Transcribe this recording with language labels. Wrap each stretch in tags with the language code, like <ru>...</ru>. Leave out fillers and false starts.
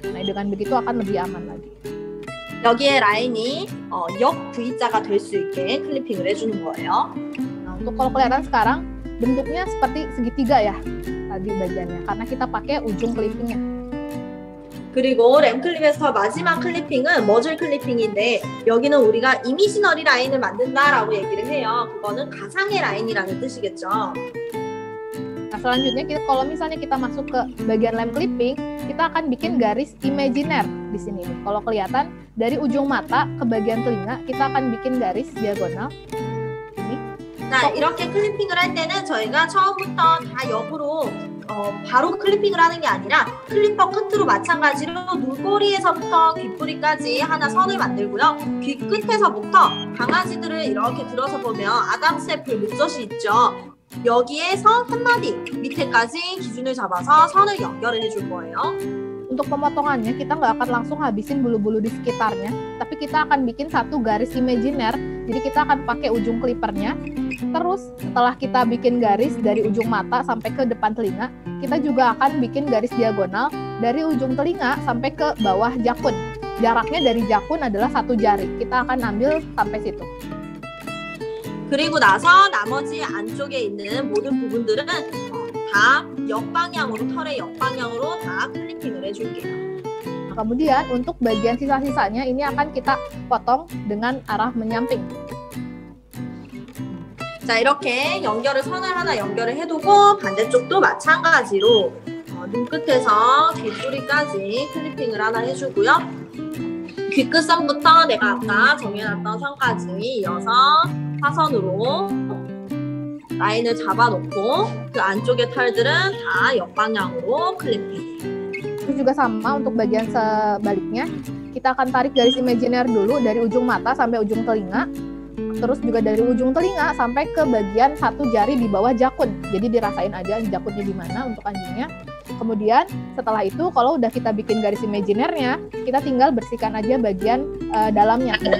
<id>Nah dengan begitu akan lebih aman lagi.</id> <ko>여기에 라인이 역 V자가 될 수 있게 클리핑을 해주는 거예요.</ko> <id>Nah, untuk kalau kelihatan sekarang bentuknya seperti segitiga ya. Di bagiannya karena kita pakai ujung clippingnya.</id> <ko>그리고 램 클립에서 마지막 클리핑은 머즐 클리핑인데 여기는 우리가 이미지너리 라인을 만든다라고 얘기를 해요. 그거는 가상의 라인이라는 뜻이겠죠.</ko> <id>Nah, selanjutnya kita kalau misalnya kita masuk ke bagian lem clipping, kita akan bikin garis imajiner di sini. Kalau kelihatan dari ujung mata ke bagian telinga, kita akan bikin garis diagonal.</id> <ko>Nah, 이렇게 클리핑을 할 때는 저희가 처음부터 다 옆으로 바로 클리핑을 하는 게 아니라 클리퍼 끝으로 마찬가지로 눈꼬리에서부터 귀뿌리까지 하나 선을 만들고요. 귀 끝에서부터 강아지들을 이렇게 들어서 보면 아담스 애플 목젖이 있죠. 여기에서 한 마디 밑에까지 기준을 잡아서 선을 연결을 해줄 거예요.</ko> <id>Untuk pemotongannya kita nggak akan langsung habisin bulu-bulu di sekitarnya, tapi kita akan bikin satu garis imajiner. Jadi kita akan pakai ujung clippernya. Terus setelah kita bikin garis dari ujung mata sampai ke depan telinga, kita juga akan bikin garis diagonal dari ujung telinga sampai ke bawah jakun. Jaraknya dari jakun adalah satu jari. Kita akan ambil sampai situ.</id> <ko>그리고 나서 나머지 안쪽에 있는 모든 부분들은 다 역방향으로 털의 역방향으로 다 클리핑을 해줄게요.</ko> <id>그러면 untuk bagian sisa-sisanya ini akan kita potong dengan arah menyamping.</id> <ko>자 이렇게 연결을 선을 하나 연결을 해두고 반대쪽도 마찬가지로 눈끝에서 귀뿌리까지 클리핑을 하나 해주고요. 귀끝선부터 내가 아까 정해놨던 선까지 이어서 사선으로 라인을 잡아놓고 그 안쪽의 털들은 다 역방향으로 클리핑.</ko> <id>그리고 juga sama untuk bagian sebaliknya kita akan tarik garis imajiner dulu dari ujung mata sampai ujung telinga. Terus juga dari ujung telinga sampai ke bagian satu jari di bawah jakun. Jadi dirasain aja jakunnya di mana untuk anjingnya. Kemudian setelah itu kalau udah kita bikin garis imajinernya, kita tinggal bersihkan aja bagian dalamnya.</id>